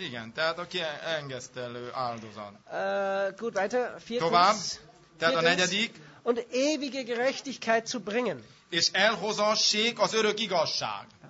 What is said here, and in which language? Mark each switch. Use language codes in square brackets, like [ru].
[hu] Igen, tehát a kiengesztelő áldozat. [de] Gut, weiter. Viertens. [hu] Tovább. Tehát a negyedik. [de] Und ewige Gerechtigkeit zu bringen. [hu] És elhozassék az örök igazság.